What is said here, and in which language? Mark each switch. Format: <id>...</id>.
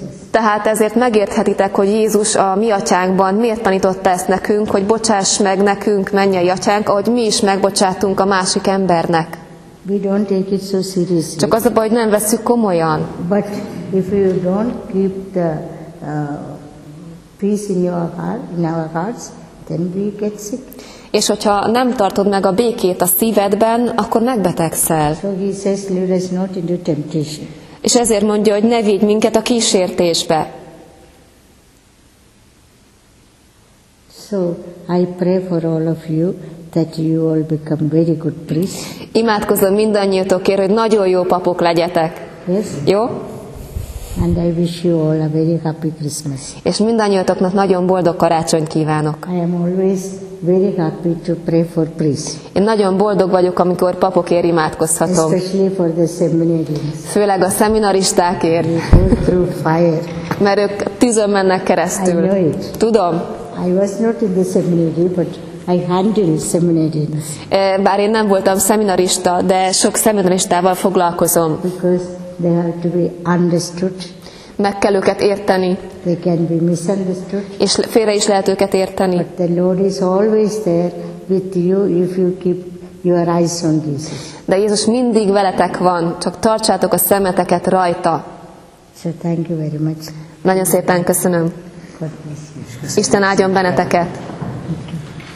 <hu>Tehát ezért megérthetitek, hogy Jézus a mi atyánkban miért tanította ezt nekünk, hogy bocsáss meg nekünk, mennyei atyánk, ahogy mi is megbocsátunk a másik embernek.</hu> <en>We don't take it so seriously.</en> <hu>Csak az a baj, hogy nem veszük komolyan.</hu> <en>But if you don't keep the peace in your heart, in our hearts, then we get sick.</en> <hu>És hogyha nem tartod meg a békét a szívedben, akkor megbetegszel.</hu> <en>So he says, lead us not into temptation.</en> <hu>És ezért mondja, hogy ne vigy minket a kísértésbe.</hu> <en>So I pray for all of you that you all become very good priests.</en> <hu>Imádkozom mindannyiótokért, hogy nagyon jó papok legyetek.</hu> <en>Yes.</en> <hu>Jó?</hu> <en>And I wish you all a very happy Christmas.</en> <hu>És mindannyiatoknak nagyon boldog karácsonyt kívánok.</hu> <en>I am always very happy to pray for priests.</en> <hu>Én nagyon boldog vagyok, amikor papokért imádkozhatom.</hu> <en>Especially for the seminarians.</en> <hu>Főleg a szemináristákért.</hu> <en>Through fire.</en> <hu>Mert ők tűzön mennek keresztül.</hu> <en>I know it.</en> <hu>Tudom.</hu> <en>I was not in the seminary, but I handle seminarians.</en> <hu>Bár én nem voltam szeminarista, de sok szemináristával foglalkozom.</hu> <en>Because they have to be understood.</en> <hu>Meg kell őket érteni.</hu> <en>They can be misunderstood.</en> <hu>És félre is lehet őket érteni.</hu> <en>But the Lord is always there with you if you keep your eyes on Jesus.</en> <hu>De Jézus mindig veletek van, csak tartsátok a szemeteket rajta.</hu> <en>So thank you very much.</en> <hu>Nagyon szépen köszönöm.</hu> <en>God bless you.</en> <hu>Isten áldjon benneteket.</hu>